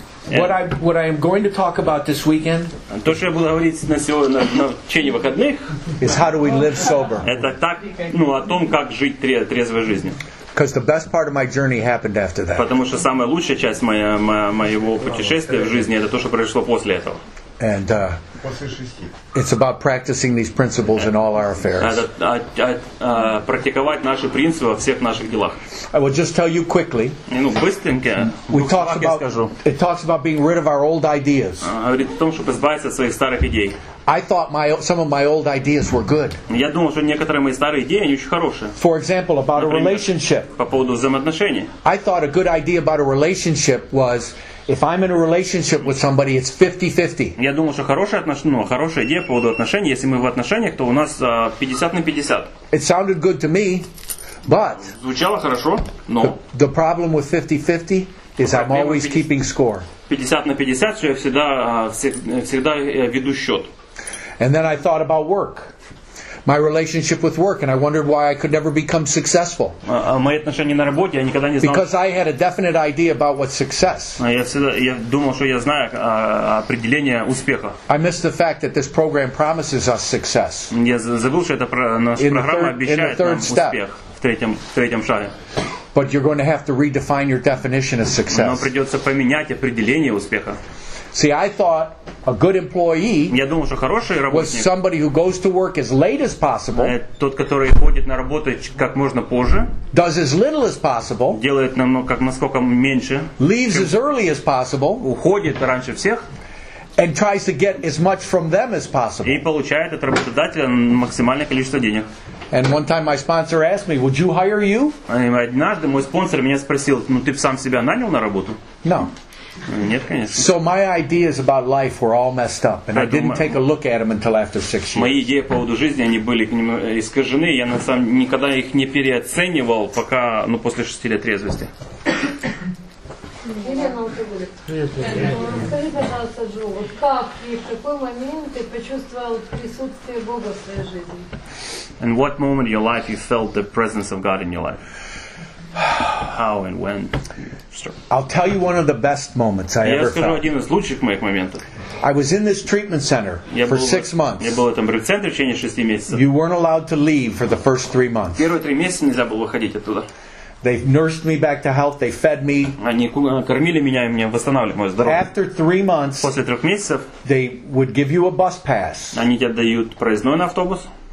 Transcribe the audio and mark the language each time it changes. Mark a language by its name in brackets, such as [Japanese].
[English] What I am going to talk about this weekend? [Russian] То, что я буду говорить на сегодня, на течение выходных, [English] is how do we live sober? [Russian] Это так, ну, о том, как жить трезвой жизнью. [English] Because the best part of my journey happened after that. [Russian] Потому что самая лучшая часть моего путешествия в жизни это то, что произошло после этого. [English] And it's about practicing these principles in all our affairs. [Russian] Практиковать наши принципы во всех наших делах. [English] I will just tell you quickly. [Russian] Ну быстренько. [English] It talks about being rid of our old ideas. [Russian] Говорит о том, чтобы избавиться от своих старых идей. [English] I thought some of my old ideas were good. [Russian] Я думал, что некоторые мои старые идеи они очень хорошие. [English] For example, about a relationship. [Russian] По поводу взаимоотношений. [English] I thought a good idea about a relationship was. If I'm in a relationship with somebody, it's 50-50. [Russian] Я думал, что хорошая идея по поводу отношений, если мы в отношениях, то у нас 50-50. [English] It sounded good to me, but [Russian] звучало хорошо, но [English] the problem with 50-50 is I'm always keeping score. [Russian] 50-50, что я всегда веду счет. [English] And then I thought about work. My relationship with work, and I wondered why I could never become successful. [Russian] Мои отношения на работе, я никогда не знал. [English] Because I had a definite idea about what success. [Russian] Я думал, что я знаю определение успеха. [English] I missed the fact that this program promises us success. [Russian] Я забыл, что эта программа обещает нам успех в третьем шаге. [English] But you're going to have to redefine your definition of success. [Russian] Но придется поменять определение успеха. [English] See, I thought a good employee. [Russian] Я думал, что хороший работник. [English] Was somebody who goes to work as late as possible. [Russian] Тот, который ходит на работу как можно позже. [English] Does as little as possible. [Russian] Делает насколько меньше. [English] Leaves as early as possible. [Russian] Уходит раньше всех. [English] And tries to get as much from them as possible. [Russian] И получает от работодателя максимальное количество денег. [English] And one time my sponsor asked me, "Would you hire you?" [Russian] Однажды мой спонсор меня спросил, "Ну ты сам себя нанял на работу?" [English] No. [Russian] Нет, конечно. [English] So my ideas about life were all messed up, and I didn't take a look at them until after 6 years. [Russian] Мои идеи по поводу жизни они были к ним искажены. Я на самом никогда их не переоценивал, пока после 6 лет трезвости. Елена, алкоголик. будет. Скажи, пожалуйста, Джо, вот как и в какой момент ты почувствовал присутствие Бога в своей жизни? [English] In what moment in your life you felt the presence of God in your life? How and when? I'll tell you one of the best moments I ever felt. [Russian] Я скажу один из лучших моих моментов. [English] I was in this treatment center for 6 months. [Russian] Я был в этом центре в течение 6 месяцев. [English] You weren't allowed to leave for the first 3 months. [Russian] Первые 3 месяца нельзя было выходить оттуда. [English] They nursed me back to health. They fed me. [Russian] Они кормили меня и мне восстанавливали мое здоровье. [English] After 3 months, [Russian] после 3 месяцев, [English] they would give you a bus pass. [Russian] Они тебе дают проездной на автобус.